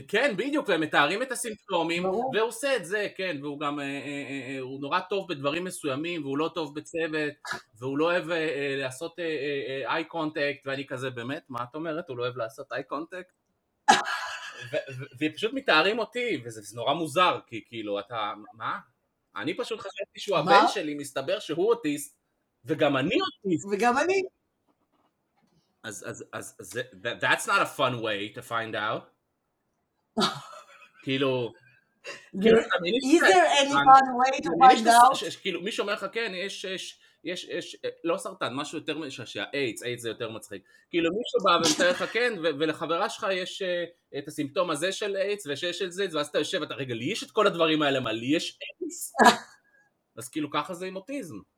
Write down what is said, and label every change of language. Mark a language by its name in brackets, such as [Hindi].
[Hebrew] כן, בדיוק, והם מתארים את הסימפטומים, והוא עושה את זה, כן, והוא גם, הוא נורא טוב בדברים מסוימים, והוא לא טוב בצוות, והוא לא אוהב לעשות אי קונטקט, ואני כזה, באמת, מה את אומרת? הוא לא אוהב לעשות אי קונטקט? והם פשוט מתארים אותי, וזה נורא מוזר, כי כאילו, אתה, מה? אני פשוט חשבתי שהוא הבן שלי, מסתבר שהוא אוטיסט, וגם אני אוטיסט. וגם אני. [English] אז, that's not a fun way to find out. [Hebrew] כאילו, [English] is there any fun way to find out? [Hebrew] כאילו, מי שאומר לך, כן, יש, לא סרטן, משהו יותר, שהאיידס זה יותר מצחיק. כאילו, מי שבא ומתאר לך, כן, ולחברה שלך יש את הסימפטום הזה של איידס, ושיש את זה, ואז אתה יושב, אתה רגע, לי יש את כל הדברים האלה, מה, לי יש איידס? אז כאילו, ככה זה עם אוטיזם.